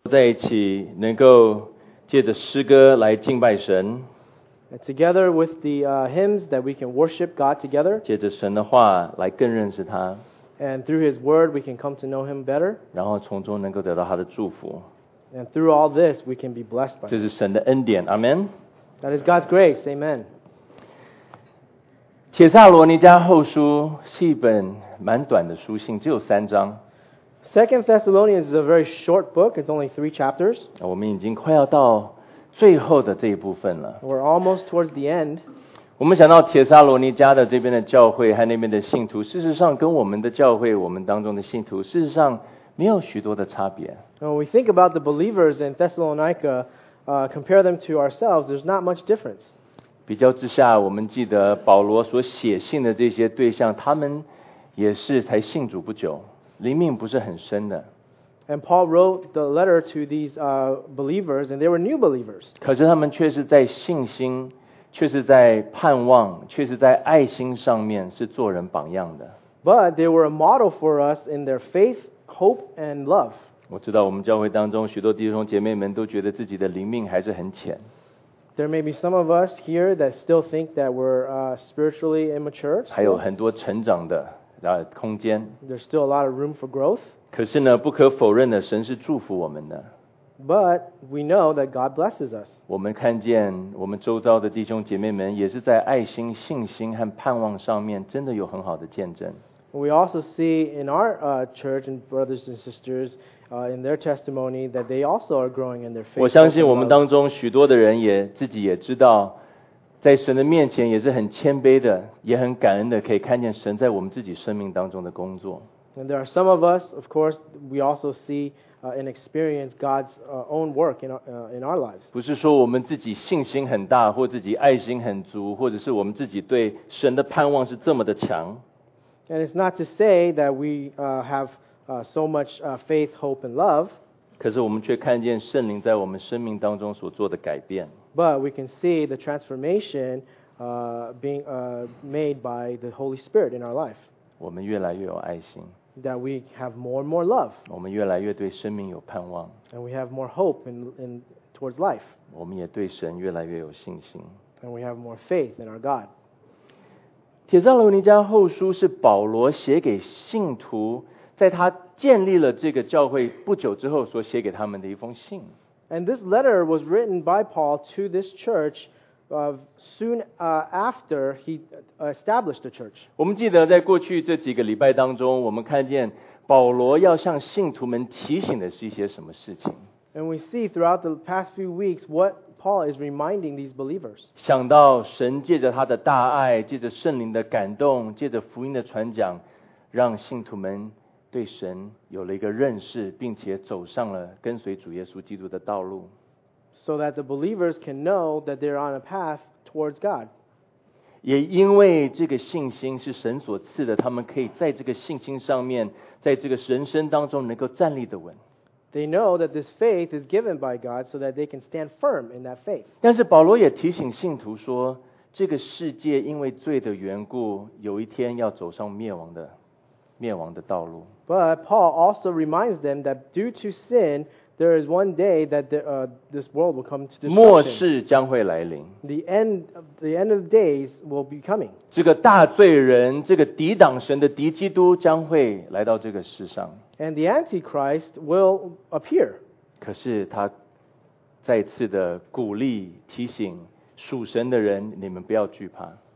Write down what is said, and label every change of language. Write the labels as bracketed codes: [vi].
[zh] 在一起能够借着诗歌来敬拜神。 [en] And together with the hymns that we can worship God together. [zh] 借着神的话来更认识他。 [en] And through His word we can come to know Him better. [zh] 然后从中能够得到他的祝福。 [en] And through all this we can be blessed by Him. [zh] 这是神的恩典 ，Amen. [en] That is God's grace, Amen. [zh] 帖撒罗尼迦后书是一本蛮短的书信，只有三章。 [en] Second Thessalonians is a very short book. It's only three chapters. [zh] 我们已经快要到最后的这一部分了。 [en] We're almost towards the end. [zh] 我们想到帖撒罗尼迦的这边的教会和那边的信徒，事实上跟我们的教会，我们当中的信徒，事实上没有许多的差别。 [en] When we think about the believers in Thessalonica, compare them to ourselves, there's not much difference. [zh] 比较之下，我们记得保罗所写信的这些对象，他们也是才信主不久。灵命不是很深的。 [en] And Paul wrote the letter to these believers, and they were new believers. [zh] 可是他们却是在信心，却是在盼望，却是在爱心上面是做人榜样的。 [en] But they were a model for us in their faith, hope, and love. [zh] 我知道我们教会当中许多弟兄姐妹们都觉得自己的灵命还是很浅。 [en] There may be some of us here that still think that we're spiritually immature. [zh] 还有很多成长的。空间 [en] There's still a lot of room for growth. [zh] 可是呢，不可否认的，神是祝福我们的。 [en] But we know that God blesses us. [zh] 我们看见我们周遭的弟兄姐妹们也是在爱心、信心和盼望上面真的有很好的见证。 [en] We also see in our church and brothers and sisters in their testimony that they also are growing in their faith. [zh] 我相信我们当中许多的人也自己也知道。在神的面前也是很谦卑的，也很感恩的，可以看见神在我们自己生命当中的工作。 [en] And there are some of us, of course, we also see and experience God's own work in our lives. [zh] 不是说我们自己信心很大，或自己爱心很足，或者是我们自己对神的盼望是这么的强。 [en] And it's not to say that we have so much faith, hope, and love. [zh] 可是我们却看见圣灵在我们生命当中所做的改变。 [en] But we can see the transformation being made by the Holy Spirit in our life. [zh] 我们越来越有爱心。 [en] That we have more and more love. [zh] 我们越来越对生命有盼望。 [en] And we have more hope in towards life. [zh] 我们也对神越来越有信心。 [en] And we have more faith in our God. [zh] 帖撒罗尼迦后书是保罗写给信徒，在他建立了这个教会不久之后所写给他们的一封信。 [en] And this letter was written by Paul to this church soon after he established the church. [zh] 我们记得在过去这几个礼拜当中，我们看见保罗要向信徒们提醒的是一些什么事情。 [en] And we see throughout the past few weeks what Paul is reminding these believers. [zh] 想到神借着他的大爱，借着圣灵的感动，借着福音的传讲，让信徒们对神有了一个认识，并且走上了跟随主耶稣基督的道路。 [en] So that the believers can know that they're on a path towards God. [zh] 也因为这个信心是神所赐的，他们可以在这个信心上面，在这个人生当中能够站立得稳。 [en] They know that this faith is given by God so that they can stand firm in that faith. [zh] 但是保罗也提醒信徒说，这个世界因为罪的缘故，有一天要走上灭亡的道路。 [en] But Paul also reminds them that due to sin, there is one day that this world will come to destruction. [zh] 末世将会来临。 [en] The end of days will be coming. [zh] 这个大罪人，这个抵挡神的敌基督将会来到这个世上。 [en] And the Antichrist will appear. [zh] 可是他再次的鼓励提醒属神的人，你们不要惧怕。